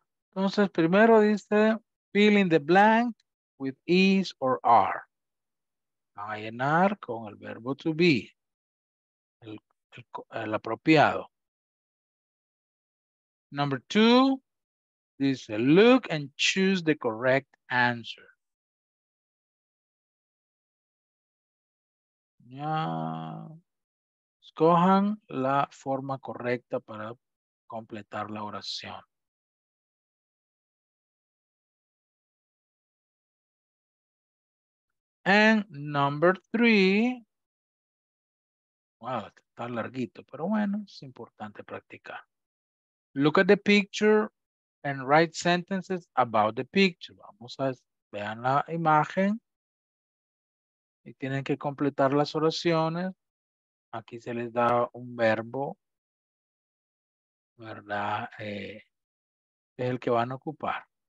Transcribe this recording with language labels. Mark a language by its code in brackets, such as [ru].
[en] Entonces, primero dice, fill in the blank with is or are. [es] A llenar con el verbo to be, el apropiado. [en] Number two, dice, look and choose the correct answer. [es] Ya, escojan la forma correcta para completar la oración. And number three, wow, está larguito, pero bueno, es importante practicar. [en] Look at the picture and write sentences about the picture. [es] Vamos a vean la imagen y tienen que completar las oraciones. Aquí se les da un verbo, ¿verdad? Es el que van a ocupar.